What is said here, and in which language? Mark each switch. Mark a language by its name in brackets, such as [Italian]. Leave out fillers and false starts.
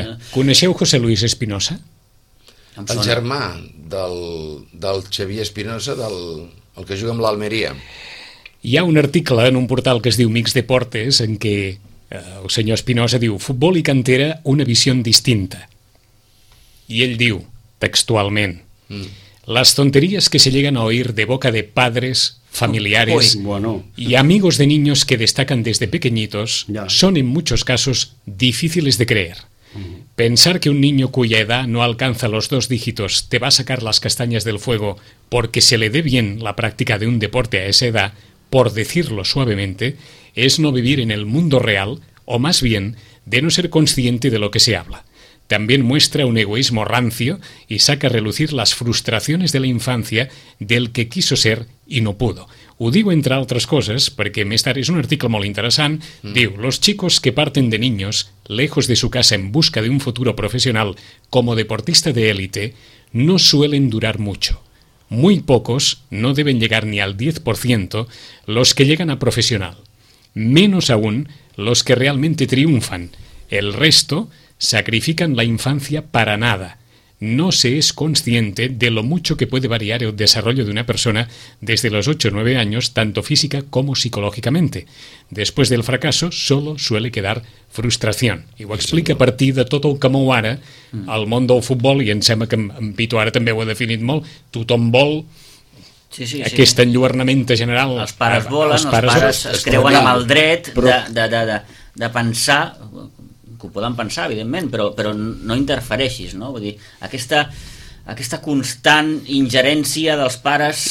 [Catalan] Coneixeu José Luis Espinosa? El germà del Xavier Espinosa, el que juga amb l'Almeria. Hi ha un article en un portal que es diu Mix Deportes en què el senyor Espinosa diu futbol i cantera, una visió distinta. I ell diu textualment [Spanish] les tonteries que se lleguen a oír de boca de padres familiares y amigos de niños que destacan desde pequeñitos son en muchos casos difíciles de creer. Pensar que un niño cuya edad no alcanza los 2 dígitos te va a sacar las castañas del fuego porque se le dé bien la práctica de un deporte a esa edad, por decirlo suavemente, es no vivir en el mundo real o más bien de no ser consciente de lo que se habla. También muestra un egoísmo rancio y saca a relucir las frustraciones de la infancia del que quiso ser y no pudo. [Catalan] Ho digo entre altres coses perquè és un article molt interessant. [Spanish] Diu, los chicos que parten de niños lejos de su casa en busca de un futuro profesional como deportista de élite no suelen durar mucho. Muy pocos, no deben llegar ni al 10%, los que llegan a profesional. Menos aún los que realmente triunfan. El resto sacrifican la infancia para nada. No se es consciente de lo mucho que puede variar el desarrollo de una persona desde los 8 o 9 años, tanto física como psicológicamente. Después del fracaso, solo suele quedar frustración. [Catalan] I ho explica a partir de tot el que mou ara al món del futbol, i em sembla que en Pitu ara també ho ha definit molt, tothom vol aquest enlluernament general. Els pares volen, els pares es creuen amb el dret de pensar... que ho poden pensar, evidentment, però no interfereixis, no? Vull dir, aquesta constant ingerència dels pares...